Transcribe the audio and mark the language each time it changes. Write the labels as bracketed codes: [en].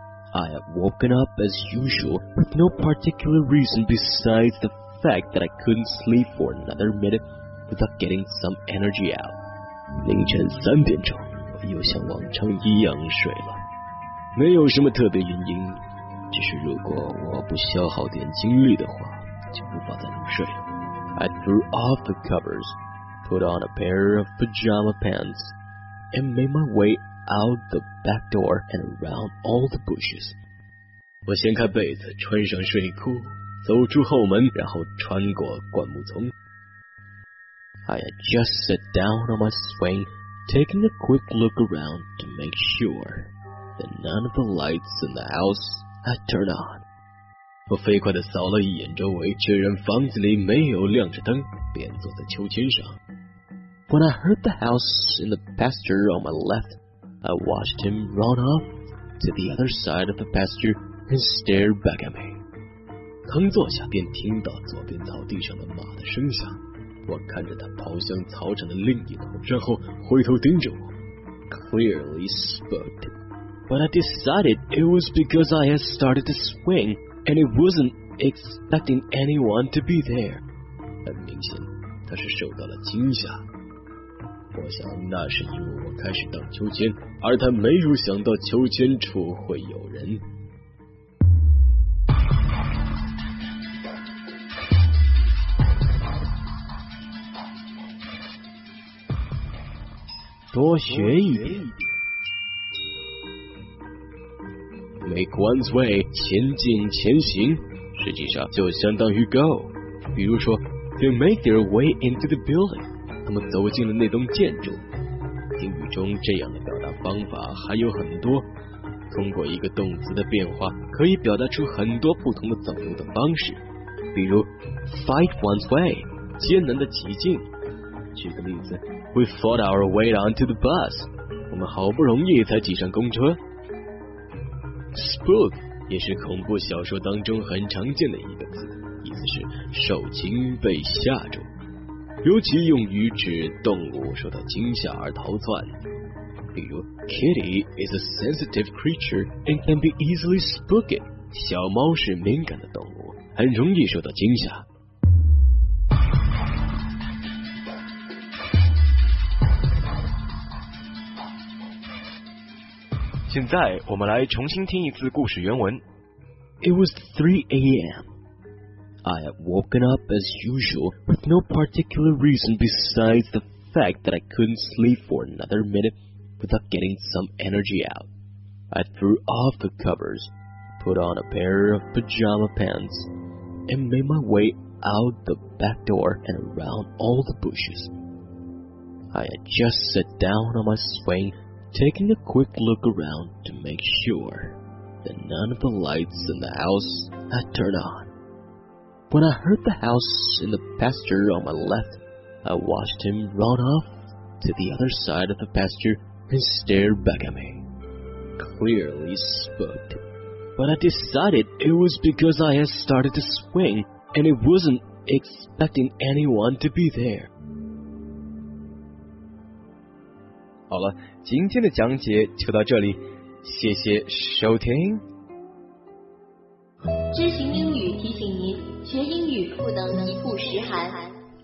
[en] I had woken up as usual with no particular reason besides the fact that I couldn't sleep for another minute without getting some energy out. [zh] 凌晨三点钟，我又像往常一样睡了，没有什么特别原因，只是如果我不消耗点精力的话，就无法再入睡了。 [en] I threw off the covers, put on a pair of pajama pants, and made my way. Out the back door and around all the bushes. [zh] 我掀开被子，穿上睡裤，走出后门，然后穿过灌木丛。 [en] I had just sat down on my swing, taking a quick look around to make sure that none of the lights in the house had turned on. [zh] 我飞快地扫了一眼周围，确认房子里没有亮着灯，便坐在秋千上。 [en] When I heard the house in the pasture on my left,I watched him run off to the other side of the pasture and stare back at me. [zh] 刚坐下便听到左边草地上的马的声响，我看着他跑向草场的另一头，然后回头盯着我。 [en] Clearly spooked, but I decided it was because I had started to swing and it wasn't expecting anyone to be there. [zh] 很明显，他是受到了惊吓。我想那是因为我开始荡秋千，而他没有想到秋千处会有人。多学一点。 [en] Make one's way, [zh] 前进前行，实际上就相当于 go。比如说 [en] ，they make their way into the building。 [zh] 他们走进了那栋建筑。英语中这样的表达方法还有很多，通过一个动词的变化可以表达出很多不同的走路的方式，比如 [en] fight one's way [zh] 艰难的挤进。举个例子， [en] we fought our way onto the bus， [zh] 我们好不容易才挤上公车。 spook 也是恐怖小说当中很常见的一个词，意思是受惊被吓住，尤其用于指动物受到惊吓而逃窜。 [en] 比如 Kitty is a sensitive creature and can be easily spooked. [zh] 小猫是敏感的动物，很容易受到惊吓。现在我们来重新听一次故事原文。 [en] It was 3 a.m. I had woken up as usual with no particular reason besides the fact that I couldn't sleep for another minute without getting some energy out. I threw off the covers, put on a pair of pajama pants, and made my way out the back door and around all the bushes. I had just sat down on my swing, taking a quick look around to make sure that none of the lights in the house had turned on. When I heard the house in the pasture on my left, I watched him run off to the other side of the pasture and stare back at me. Clearly spooked. But I decided it was because I had started to swing and it wasn't expecting anyone to be there. [zh] 好了，今天的讲解就到这里，谢谢收听。知行英语提醒您，学英语不能一步十寒。